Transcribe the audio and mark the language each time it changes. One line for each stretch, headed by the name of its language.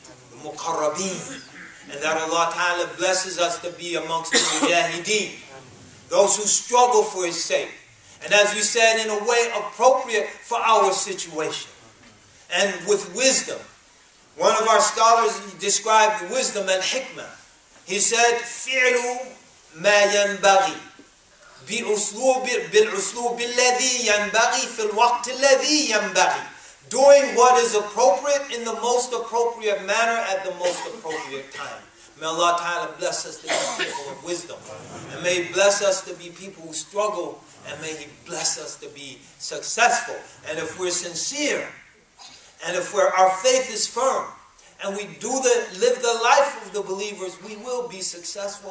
English: The muqarrabeen. And that Allah ta'ala blesses us to be amongst the mujahideen, those who struggle for His sake. And as we said, in a way appropriate for our situation. And with wisdom. One of our scholars described wisdom and hikmah. He said,
Arabic: فِعْلُ مَا يَنْبَغِي بِالْعُسْلُوبِ الَّذِي يَنْبَغِي فِي الْوَقْتِ الَّذِي يَنْبَغِي.
English: Doing what is appropriate in the most appropriate manner at the most appropriate time. May Allah Ta'ala bless us to be people of wisdom. And may He bless us to be people who struggle. And may He bless us to be successful. And if we're sincere, and if we're, our faith is firm, and we do the live the life of the believers, we will be successful.